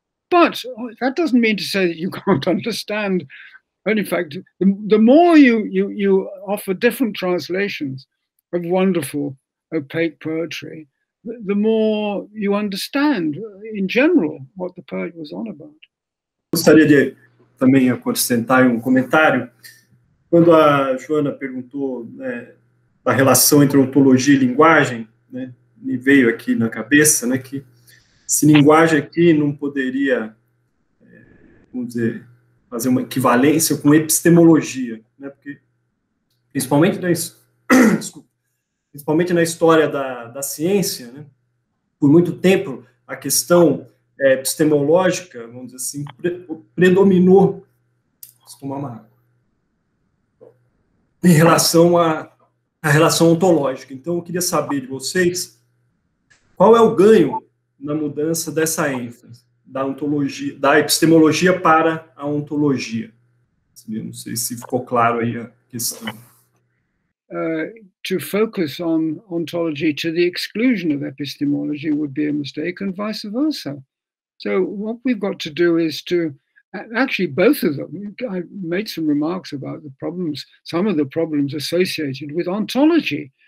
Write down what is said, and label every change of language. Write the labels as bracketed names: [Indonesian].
[English] But that doesn't mean to say that you can't understand. And in fact, the more you offer different translations of wonderful, opaque poetry, the more you understand, in general, what the poet was on about. [Portuguese] Gostaria de também acrescentar um comentário. Quando a Joana perguntou, né, da relação entre ontologia e linguagem, né, me veio aqui na cabeça, né, que se linguagem aqui não poderia, vamos dizer, fazer uma equivalência com epistemologia, né, porque principalmente na história da ciência, né, por muito tempo a questão epistemológica, vamos dizer assim, predominou, em relação à relação ontológica. Então, eu queria saber de vocês qual é o ganho na mudança dessa ênfase da ontologia, da epistemologia para a ontologia. Eu não sei se ficou claro aí a questão. [English] To focus on ontology to the exclusion of epistemology would be a mistake, and vice versa. So what we've got to do is to, actually both of them, I made some remarks about the problems, some of the problems associated with ontology.